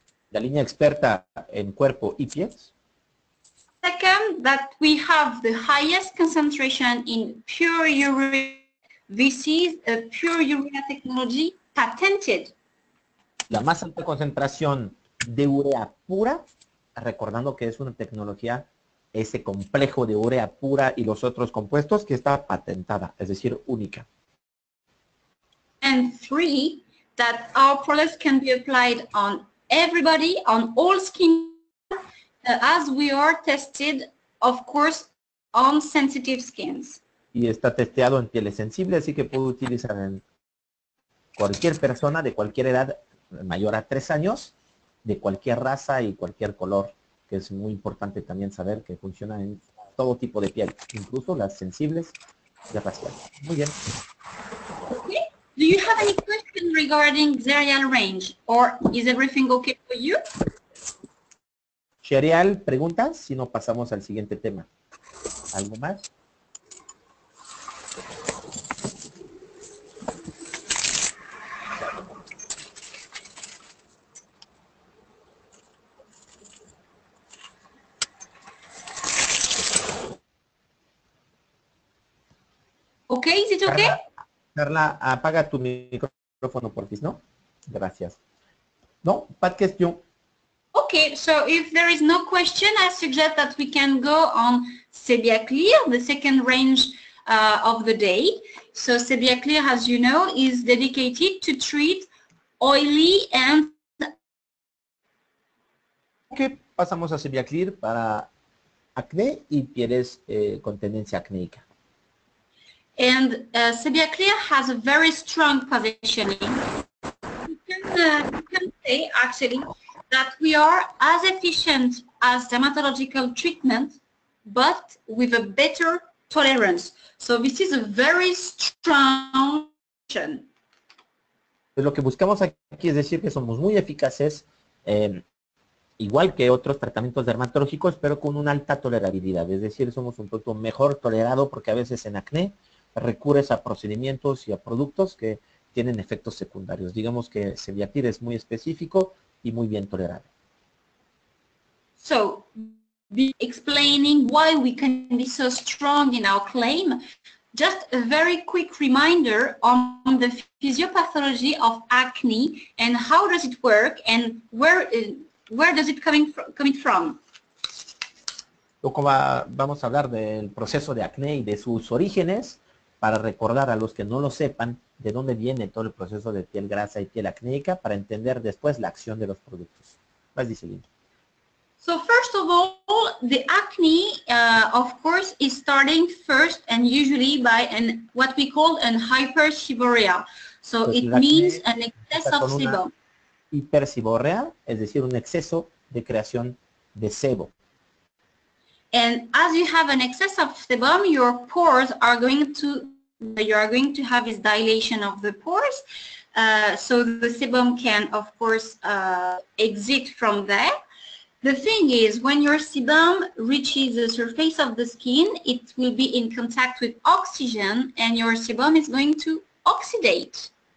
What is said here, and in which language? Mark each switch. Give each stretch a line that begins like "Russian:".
Spanish: La línea experta en cuerpo y pies.
English: Second, that we have the highest concentration in pure urea. This is a pure urea technology patented.
Spanish: La más alta concentración de urea pura, recordando que es una tecnología, ese complejo de urea pura y los otros compuestos, que está patentada, es decir, única.
English: And 3, that our products can be applied on everybody, on all skin, as we are tested, of course, on sensitive skins.
Spanish: Y está testeado en pieles sensibles, así que puedo utilizar en cualquier persona de cualquier edad mayor a 3 años, de cualquier raza y cualquier color que es muy importante también saber que funciona en todo tipo de piel, incluso las sensibles y raciales. Muy bien.
English: Okay. Do you have any question regarding Xerial range, or is everything okay for you?
Spanish: Xerial, preguntas, si no pasamos al siguiente tema. ¿Algo más?
English: Okay, is it okay?
Spanish: Carla, apaga tu micrófono, porfis, ¿no? Gracias.
English: No, bad question. Okay, so if there is no question, I suggest that we can go on Sebia Clear, the second range of the day. So Sebia Clear, as you know, is dedicated to treat oily and...
Spanish: Okay, pasamos a Sebia Clear para acné y pieles con tendencia acnéica.
English: And Sebia Clear has a very strong positioning. You can say actually that we are as efficient as dermatological treatment, but with a better tolerance. So this is a very strong position.
Spanish: Lo que buscamos aquí es decir que somos muy eficaces, igual que otros tratamientos dermatológicos, pero con una alta tolerabilidad. Es decir, somos un producto mejor tolerado porque a veces en acné recurres a procedimientos y a productos que tienen efectos secundarios. Digamos que Sebia Clear es muy específico y muy bien tolerado.
English: So, explaining why we can be so strong in our claim, just a very quick reminder on the physiopathology of acne and how does it work and where does it coming from?
Spanish: Vamos a hablar del proceso de acné y de sus orígenes. Para recordar a los que no lo sepan, de dónde viene todo el proceso de piel grasa y piel acnéica, para entender después la acción de los productos. Vas, Diseline.
English: So first of all, the acne, of course, is starting first and usually by an what we call an hyperseborrhea. So it means an excess of sebo.
Spanish: Hiperseborrhea, es decir, un exceso de creación de sebo.
English: And as you have an excess of sebum, your pores are going to have this dilation of the pores. So the sebum can, of course, exit from there. The thing is, when your sebum reaches the surface of the skin, it will be in contact with oxygen and your sebum is going to oxidate.